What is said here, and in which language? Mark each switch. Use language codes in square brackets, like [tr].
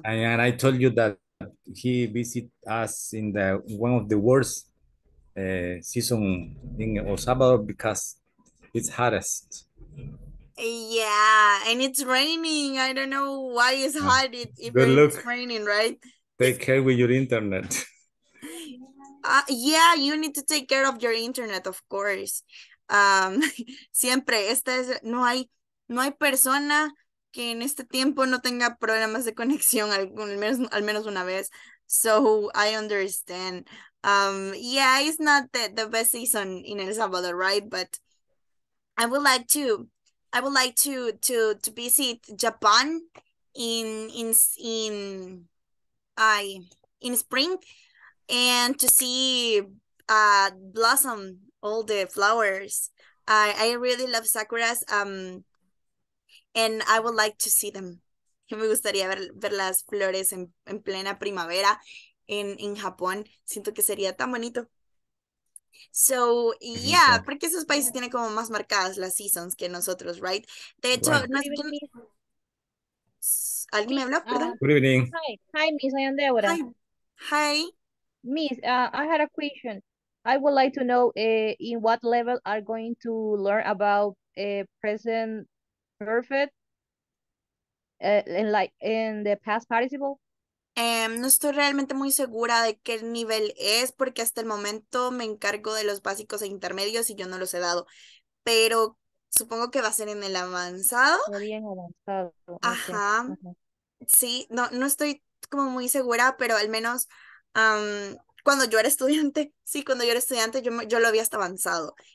[en] And I told you that he visited us in the one of the worst season in El Salvador because it's hottest. Yeah, and it's raining. I don't know why it's hot. Good luck. It's raining, right? Take care with your internet. You need to take care of your internet, of course. [es] Siempre. No hay persona que en este tiempo no tenga problemas de conexión al menos una vez. [en] So I understand. It's not the best season in El Salvador, right? But I would like to visit Japan in spring and to see blossom all the flowers. I really love sakuras, and I would like to see them. [es] Me gustaría ver las flores en plena primavera en Japón. Siento que sería tan bonito. [en] So, yeah, [es] porque esos países tienen como más marcadas las seasons que nosotros, right? De hecho, [en] right. [es] No es... ¿Alguien me habló? Perdón. [en] Good evening. Hi, Miss, I am Deborah. Hi. Miss, I had a question. I would like to know in what level are going to learn about present perfect in the past participle. [es] No estoy realmente muy segura de qué nivel es porque hasta el momento me encargo de los básicos e intermedios y yo no los he dado, pero supongo que va a ser en el avanzado. Bien avanzado. Ajá. Sí, no estoy como muy segura, pero al menos cuando yo era estudiante, sí, cuando yo era estudiante yo lo había hasta avanzado.